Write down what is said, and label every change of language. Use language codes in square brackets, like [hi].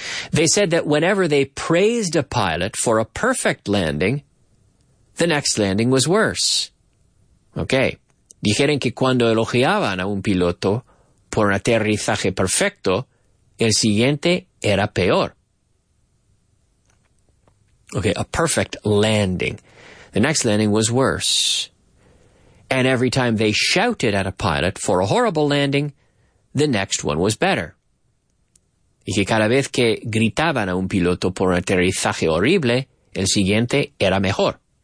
[en] They said that whenever they praised a pilot for a perfect landing, the next landing was worse. Okay? [es] Dijeron que cuando elogiaban a un piloto por un aterrizaje perfecto, el siguiente era peor. [en] Okay, a perfect landing. The next landing was worse. And every time they shouted at a pilot for a horrible landing, the next one was better. [es] Y que cada vez que gritaban a un piloto por un aterrizaje horrible, el siguiente era mejor.